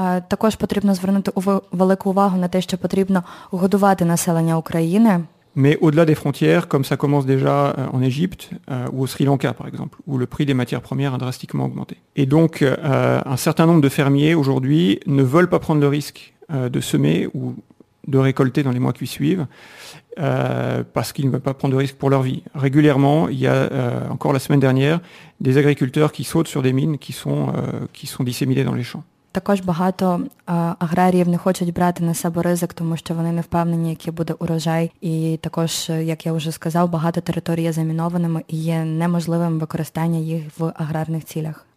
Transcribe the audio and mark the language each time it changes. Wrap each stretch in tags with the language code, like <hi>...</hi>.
<uk>Також потрібно звернути велику увагу на те, що потрібно годувати населення України.</uk> <fr>Mais au-delà des frontières, comme ça commence déjà en Égypte ou au Sri Lanka, par exemple, où le prix des matières premières a drastiquement augmenté. Et donc, un certain nombre de fermiers, aujourd'hui, ne veulent pas prendre le risque de semer ou de récolter dans les mois qui suivent, parce qu'ils ne veulent pas prendre de risque pour leur vie. Régulièrement, il y a, encore la semaine dernière, des agriculteurs qui sautent sur des mines qui sont disséminées dans les champs.</fr> <uk>Також багато аграріїв не хочуть брати на себе ризик, тому що вони не впевнені, який буде урожай. І також, як я вже сказав, багато територій є замінованими і є неможливим використання їх в аграрних цілях.</uk>